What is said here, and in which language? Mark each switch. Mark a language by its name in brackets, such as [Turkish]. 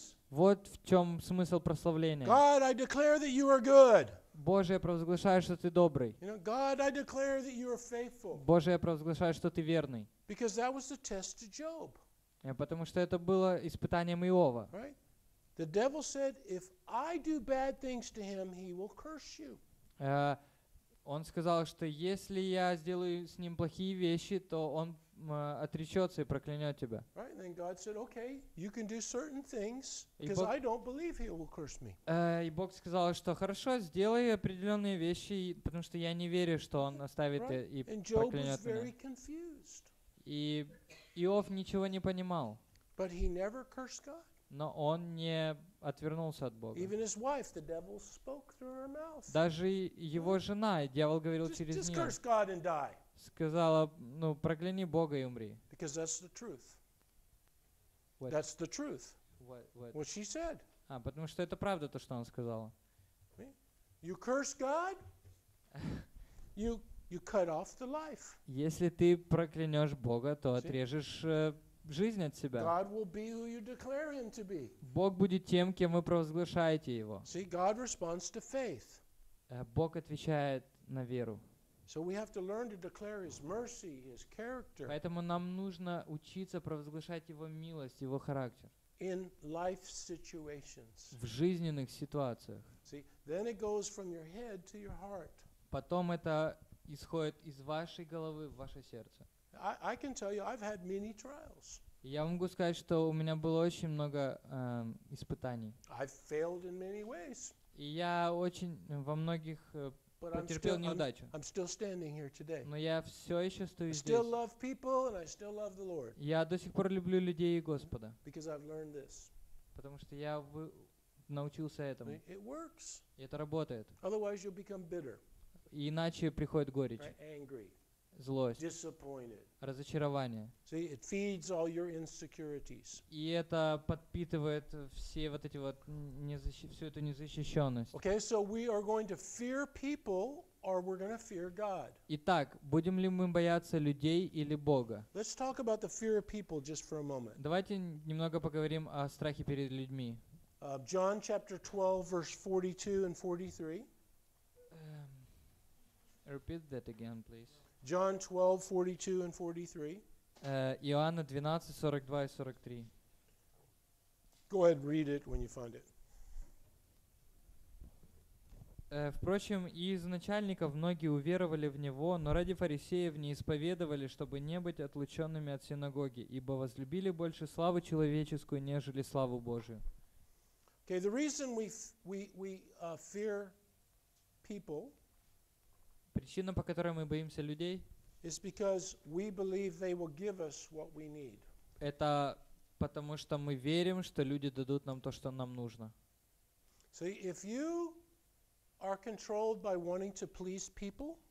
[Russian] Вот в чем смысл прославления. [English] God, I declare that you are good. [Russian] Боже, я провозглашаю, что ты добрый. [English] You know, God, I declare that you are faithful. [Russian] Боже, я провозглашаю, что ты верный. [English] Because that was the test to Job. [Russian] Потому что это было испытанием Иова. [English] Right? The devil said, if I do bad things to him, he will curse you. [Russian] Он сказал, что если я сделаю с ним плохие вещи, то он отречется и проклянет тебя. [English] Right, and then God said, okay, you can do certain things, because I don't believe he will curse me. [Russian] И Бог сказал, что хорошо, сделай определенные вещи, потому что я не верю, что он оставит и проклянет меня. И Иов ничего не понимал. [English] But he never cursed God. [Russian] Но он не отвернулся от Бога. [English] Even his wife, the devil spoke through her mouth. [Russian] Даже его жена, дьявол говорил через нее. [English] Just curse God and die. [Russian] Сказала, прокляни Бога и умри. [English] Because that's the truth. That's the truth. What she said. [Russian] Потому что это правда то, что она сказала. [English] You curse God, you cut off the life. [Russian] Если ты проклянешь Бога, то отрежешь жизнь от себя. [English] God will be who you declare him to be. [Russian] Бог будет тем, кем вы провозглашаете его. [English] See, God responds to faith. [Russian] Бог отвечает на веру. [English] So we have to learn to declare his mercy, his character. [Russian] Поэтому нам нужно учиться провозглашать его милость, его характер. [English] In life situations. [Russian] В жизненных ситуациях. [English] See, then it goes from your head to your heart. [Russian] Потом это исходит из вашей головы в ваше сердце. [English] I can tell you, I've had many trials. [Russian] Я могу сказать, что у меня было очень много испытаний. [English] I've failed in many ways. [Russian] И я очень во многих потерпел неудачу. [English] I'm still standing here today. [Russian] Но я все еще стою здесь. [English] I still love people and I still love the Lord. [Russian] Я до сих пор люблю людей и Господа. [English] Because I've learned this. [Russian] Потому что я научился этому. [English] It works. [Russian] И это работает. [English] Otherwise you'll become bitter. [Russian] И иначе приходит горечь. [English] Right? Angry. [Russian] Злость, [English] disappointed. [Russian] Разочарование. [English] See, it feeds all your insecurities. [Russian] И это подпитывает все вот эти вот всю эту незащищенность. [English] Okay, so we are going to fear people, or we're going to fear God. [Russian] Итак, будем ли мы бояться людей или Бога? [English] Let's talk about the fear of people just for a moment. [Russian] Давайте немного поговорим о страхе перед людьми. [English] John chapter 12, verse 42 and 43. Repeat that again, please. John 12, 42 and 43. [Russian] Иоанна 12, 42 и 43. [English] Go ahead, read it when you find it. [Russian] Впрочем, и из начальников многие уверовали в него, но ради фарисеев не исповедовали, чтобы не быть отлученными от синагоги, ибо возлюбили больше славу человеческую, нежели славу Божию. [English] Okay, the reason we fear people. [Russian] Причина, по которой мы боимся людей, [English] is because we believe they will give us what we need. [Russian] Это потому, что мы верим, что люди дадут нам то, что нам нужно. [English] See, if you are controlled by wanting to please people,